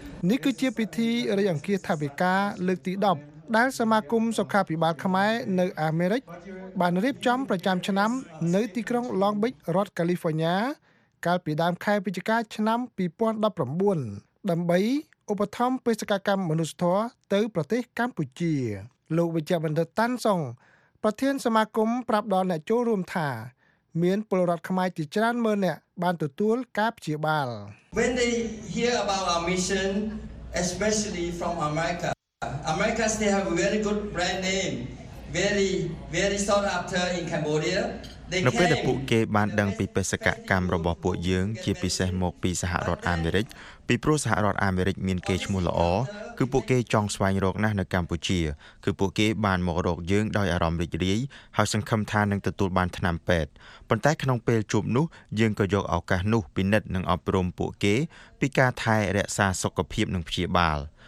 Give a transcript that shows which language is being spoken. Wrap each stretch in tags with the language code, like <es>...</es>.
<km>នេះគឺជាពិធីរៃអង្គាសថវិកាលើកទី10ដែលសមាគមសុខាភិបាលខ្មែរនៅអាមេរិកបានរៀបចំប្រចាំឆ្នាំនៅទីក្រុង Long Beach រដ្ឋ California កាលពីដើមខែវិច្ឆិកាឆ្នាំ2019ដើម្បីឧបត្ថម្ភបេសកកម្មមនុស្សធម៌ទៅប្រទេសកម្ពុជាលោកវិជ្ជបណ្ឌិតតាន់សុងប្រធានសមាគមប្រាប់ដល់អ្នកចូលរួមថាមានពលរដ្ឋខ្មែរជាច្រើនម៉ឺននាក់បានទទួលការព្យាបាល</km> <en>When they hear about our mission especially from America they have a very good brand name very sought after in Cambodia</en> <km>នៅពេលដែលពួកគេបានដឹងពីបេសកកម្មរបស់ពួកយើងជាពិសេសមកពីសហរដ្ឋអាមេរិកពីព្រោះសហរដ្ឋអាមេរិកមានកេរ្តិ៍ឈ្មោះល្អគឺពួកគេចង់ស្វែងរកណាស់នៅកម្ពុជាគឺពួកគេបានមករកយើងដោយអារម្មណ៍រីករាយហើយសង្ឃឹមថានឹងទទួលបានថ្នាំពេទ្យប៉ុន្តែក្នុងពេលជួបនោះយើងក៏យកឱកាសនោះពិនិត្យនិងអប់រំពួកគេពីការថែរក្សាសុខភាពនិងព្យាបាល</km>